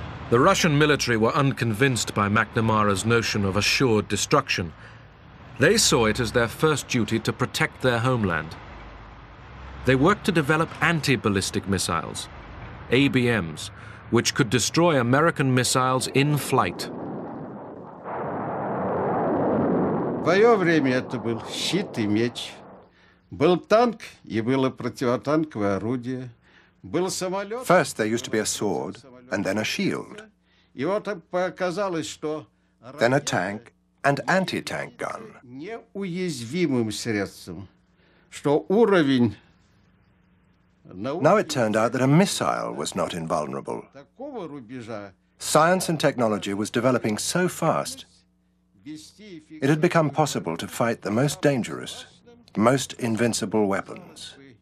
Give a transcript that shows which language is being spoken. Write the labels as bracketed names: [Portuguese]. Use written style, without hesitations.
[English] The Russian military were unconvinced by McNamara's notion of assured destruction. They saw it as their first duty to protect their homeland. They worked to develop anti-ballistic missiles, ABMs, which could destroy American missiles in flight. [Russian] В своё время это был щит и меч. Был танк и было противотанковое орудие. Был самолёт. [English] First there used to be a sword and then a shield. [Russian] И вот показалось, что [English] then a tank and anti-tank gun. [Russian] Неуязвимым средством, что уровень. [English] Now it turned out that a missile was not invulnerable. Science and technology was developing so fast, it had become possible to fight the most dangerous, most invincible weapons.